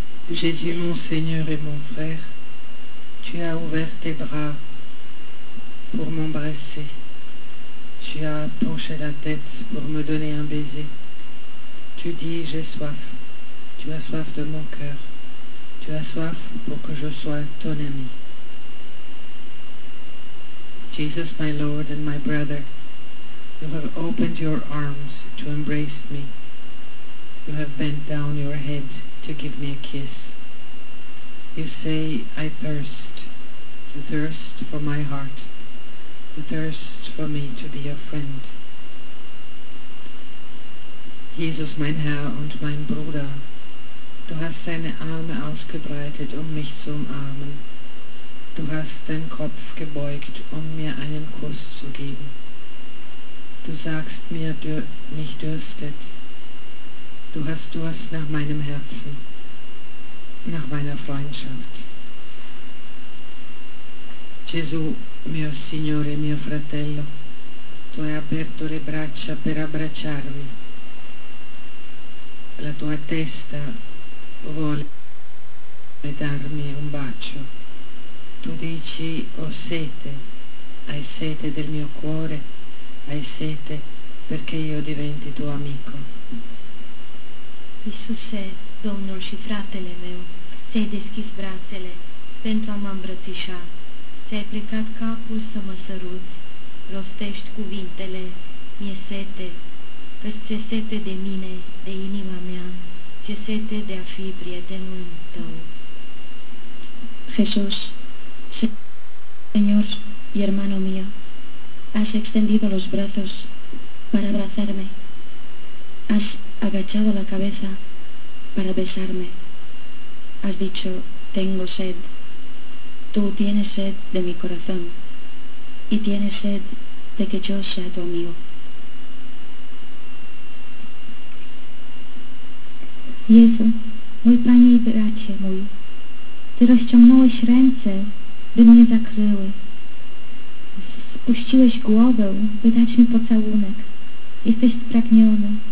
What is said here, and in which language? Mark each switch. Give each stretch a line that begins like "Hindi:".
French: J'ai dit mon Seigneur et mon frère, tu as ouvert tes bras pour m'embrasser, tu as penché la tête pour me donner un baiser. Tu dis j'ai soif. tu as soif de mon cœur. Tu as soif pour que je sois ton ami.
English: Jesus, my Lord and my brother, you have opened your arms to embrace me. You have bent down your head to give me a kiss. You say, I thirst, you thirst for my heart, you thirst for me to be your friend.
German: Jesus, mein Herr und mein Bruder, du hast deine Arme ausgebreitet, um mich zu umarmen. Du hast den Kopf gebeugt, um mir einen Kuss zu geben. Du sagst mir, mich dürstet. Du hast Durst nach meinem Herzen, nach meiner Freundschaft.
Italian: Gesù, mio Signore, mio fratello, tu hai aperto le braccia per abbracciarmi. La tua testa vuole darmi un bacio. Tu dici, ho sete, hai sete del mio cuore, hai sete perché io diventi tuo amico.
Romanian: Isus, Domnul și fratele meu, ți-ai deschis brațele pentru a mă îmbrățișa. Ți-ai plecat capul să mă săruți, rostești cuvintele, mi-e sete, că-ți ce sete de mine, de inima mea, ce sete de a fi prietenul tău.
Spanish: Jesus, Señor y hermano mío, has extendido los brazos para abrazarme. Has agachado la cabeza para besarme. Has dicho, tengo sed. Tú tienes sed de mi corazón y tienes sed de que yo sea tu amigo.
Polish: Jezu, mój Panie i bracie mój, Ty rozciągnąłeś ręce, by mnie zakryły. Spuściłeś głowę, by dać mi pocałunek. Jesteś spragniony.